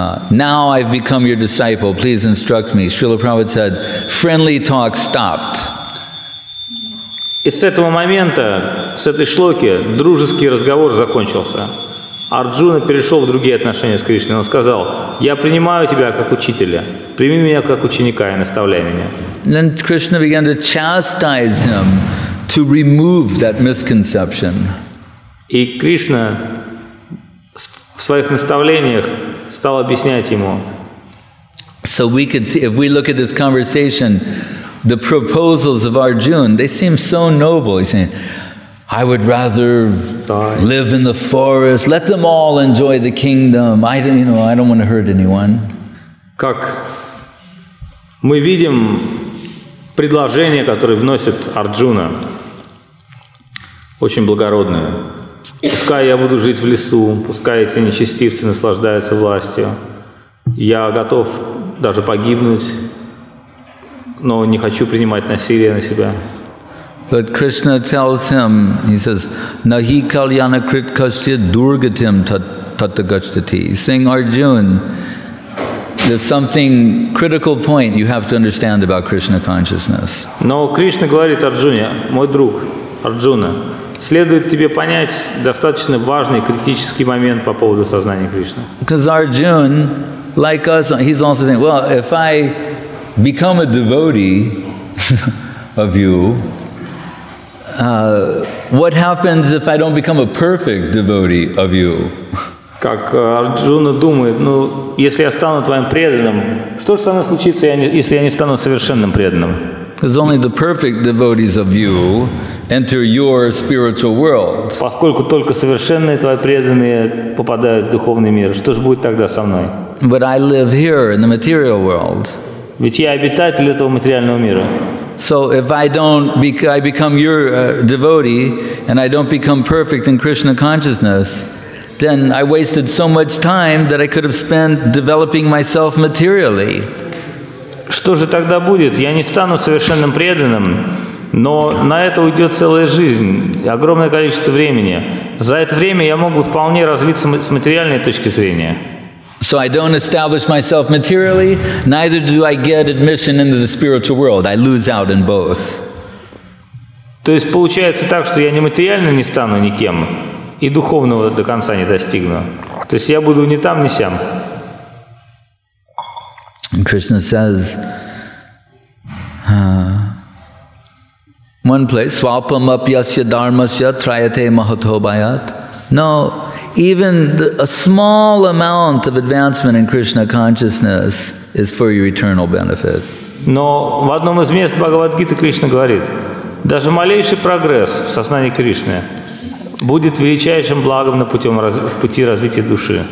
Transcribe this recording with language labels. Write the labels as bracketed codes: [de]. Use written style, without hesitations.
[en] Now I've become your disciple. Please instruct me. Srila Prabhupada said, friendly talk stopped. [ru] И с этого момента, с этой шлоки, дружеский разговор закончился. Арджуна перешел в другие отношения с Кришной. Он сказал, я принимаю тебя как учителя. Прими меня как ученика и наставляй меня. [en] Then Krishna began to chastise him to remove that misconception. [ru] И Кришна в своих наставлениях стал объяснять ему. [en] So we could see, if we look at this conversation, the proposals of Arjuna, they seem so noble. He's saying, I would rather live in the forest, let them all enjoy the kingdom. I don't want to hurt anyone. [ru] Как мы видим предложение, которое вносит Арджуна, очень благородное. Пускай я буду жить в лесу, пускай эти нечестивцы наслаждаются властью. Я готов даже погибнуть, но не хочу принимать насилие на себя. [en] But Krishna tells him, he says, [sa] Nahi kalyana krit kasya durgatim tattagachtati. [en] He's saying, Arjuna, there's something critical point you have to understand about Krishna consciousness. [ru] Но Кришна говорит Арджуне, мой друг, Арджуна, следует тебе понять достаточно важный критический момент по поводу сознания Кришны. [en] Because Arjuna, like us, he's also thinking, well, if I become a devotee of you, what happens if I don't become a perfect devotee of you? [ru] Как Арджуна думает, ну, если я стану твоим преданным, что же со мной случится, если я не стану совершенным преданным? [en] Because only the perfect devotees of you enter your spiritual world. [ru] Поскольку только совершенные твои преданные попадают в духовный мир, что же будет тогда со мной? [en] But I live here in the material world. [ru] Ведь я обитатель этого материального мира. [en] So if I don't, I become your devotee, and I don't become perfect in Krishna consciousness, then I wasted so much time that I could have spent developing myself materially. [ru] Что же тогда будет? Я не стану совершенным преданным, но на это уйдет целая жизнь, огромное количество времени. За это время я могу вполне развиться с материальной точки зрения. [en] So I don't establish myself materially, neither do I get admission into the spiritual world. I lose out in both. [ru] То есть получается так, что я не материально не стану никем и духовного до конца не достигну. То есть я буду ни там, ни сям. [en] And Krishna says, one place, [sa] svapam apyasya dharmasya trayate mahatobayat. [en] No. Even a small amount of advancement in Krishna consciousness is for your eternal benefit. [ru] Но в одном из мест Бхагавад-гиты Кришна говорит, даже малейший прогресс в сознании Кришны будет величайшим благом на пути, в пути развития души.